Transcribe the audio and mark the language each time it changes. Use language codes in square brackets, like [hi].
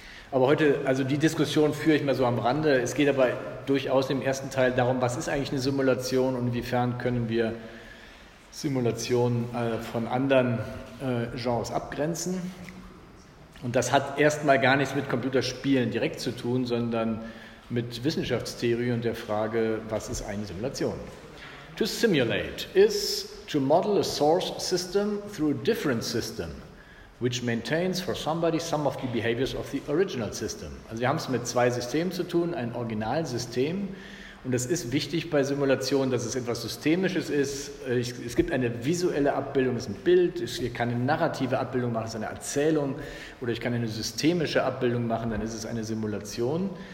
[de] Aber heute, also die Diskussion führe ich mal so am Rande. Es geht aber durchaus im ersten Teil darum, was ist eigentlich eine Simulation und inwiefern können wir Simulationen von anderen Genres abgrenzen. Und das hat erstmal gar nichts mit Computerspielen direkt zu tun, sondern mit Wissenschaftstheorie und der Frage, was ist eine Simulation? [en] To simulate is to model a source system through a different system, which maintains for somebody some of the behaviors of the original system. [de] Also wir haben es mit zwei Systemen zu tun, ein Originalsystem. Und es ist wichtig bei Simulationen, dass es etwas Systemisches ist. Es gibt eine visuelle Abbildung, es ist ein Bild, ich kann eine narrative Abbildung machen, es ist eine Erzählung, oder ich kann eine systemische Abbildung machen, dann ist es eine Simulation.